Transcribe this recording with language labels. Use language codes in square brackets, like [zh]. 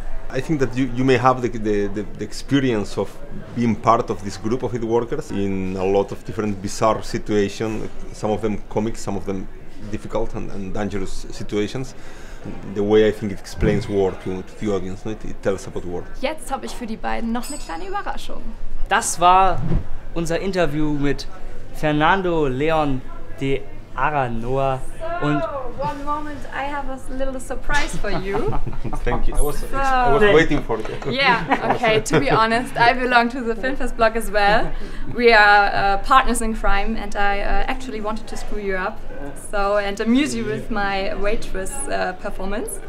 [en] I think that you may have the experience of being part of this group of hitworkers in a lot of different bizarre situations, some of them comic, some of them difficult and dangerous situations. The way I think it explains war to the audience, right? It tells about war. [de] Jetzt habe ich für die beiden noch eine kleine Überraschung. Das war unser Interview mit Fernando Leon de Aranoa. So, und [en] one moment, I have a little surprise for you. Thank you. I was waiting for you. Yeah, okay, to be honest, I belong to the Filmfest blog as well. We are partners in crime, and I actually wanted to screw you up. So, and amuse you with my waitress performance.